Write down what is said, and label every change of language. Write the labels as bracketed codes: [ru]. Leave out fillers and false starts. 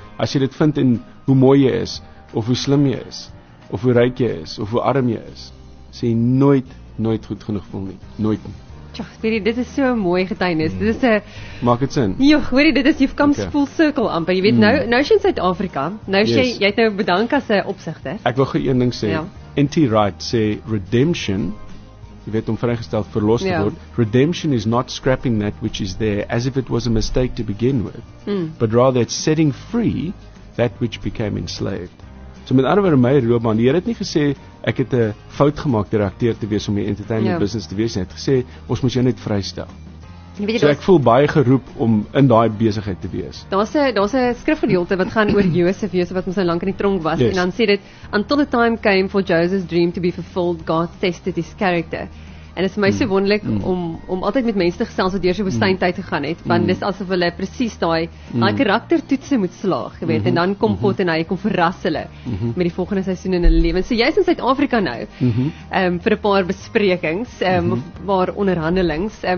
[af] As jy dit vind in hoe mooi jy is, of hoe slim jy is, of hoe ryk jy is, of hoe arm jy is, sê jy nooit, nooit goed genoeg voel nie. Nooit nie. Tja, Spierie, dit is so'n mooi getuienis. Dit is 'n... Maak het sin. Jo, hoorie, dit is, [en] you've come okay. Full circle amper. [af] Jy weet, nou is jy in Suid-Afrika, nou is jy het nou bedank as 'n opsigter. Ek wil goed een ding sê. Ja. N.T. [en] Wright sê, redemption, [af] jy weet om vrygesteld verlos te word, [en] redemption is not scrapping that which is there as if it was a mistake to begin with, but rather it's setting free that which became enslaved. [af] So met ander woorde, my roepman, die Here het nie gesê, ek het 'n fout gemaak deur akteur te wees om die entertainment business te wees, hy het gesê, ons moet jou net vrystel. So ek voel baie geroep om in daai besigheid te wees. Daar's 'n skrifgedeelte wat gaan oor Josef, wat ons so lank in die tronk was, [en] yes. [af] En dan sê dit, [en] until the time came for Joseph's dream to be fulfilled, God tested his character. [af] En dit is my so wonderlik om altyd met mense te gesels wat deur so woestyntyd gegaan het, want dis asof hulle presies daai karaktertoetse moet slaag, jy weet, en dan kom God en hy kom verras hulle met die volgende seisoen in hulle lewens. So jy is in Suid-Afrika nou, vir 'n paar besprekings, paar onderhandelings.